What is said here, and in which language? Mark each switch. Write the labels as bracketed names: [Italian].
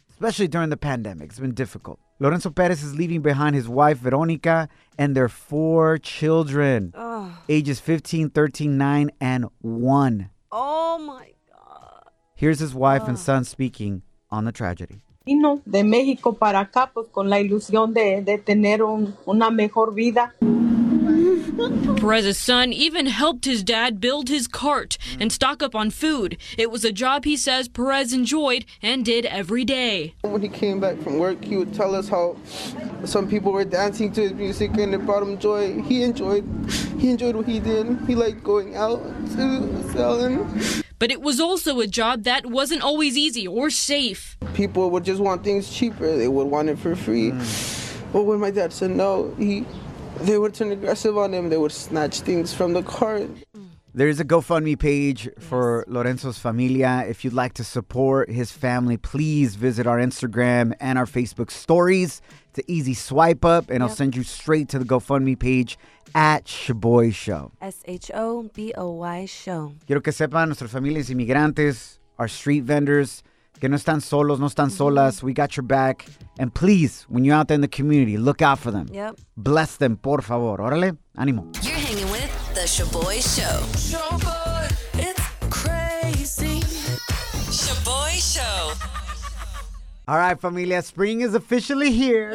[English] Especially during the pandemic. It's been difficult. Lorenzo Perez is leaving behind his wife, Veronica, and their four children, ages 15, 13, 9, and 1. Oh, my God. Here's his wife and son speaking on the tragedy. [Spanish] Vino de México para acá con la ilusión de tener una mejor vida. [English] Perez's son even helped his dad build his cart and stock up on food. It was a job he says Perez enjoyed and did every day. When he came back from work, he would tell us how some people were dancing to his music and it brought him joy. He enjoyed what he did. He liked going out to selling. But it was also a job that wasn't always easy or safe. People would just want things cheaper. They would want it for free. But when my dad said no, they would turn aggressive on him. They would snatch things from the cart. There is a GoFundMe page for Lorenzo's familia. If you'd like to support his family, please visit our Instagram and our Facebook stories. It's an easy swipe up, and I'll send you straight to the GoFundMe page at Shaboy Show. Shaboy Show. [Spanish] Quiero que sepan nuestras familias inmigrantes, our street vendors, que no están solos, no están solas. [English] We got your back. And please, when you're out there in the community, look out for them. Yep. [Spanish] Bless them, por favor. Órale, ánimo. [English] You're hanging with The Shaboy Show. Shaboy, it's crazy. Shaboy Show. All right, familia, spring is officially here.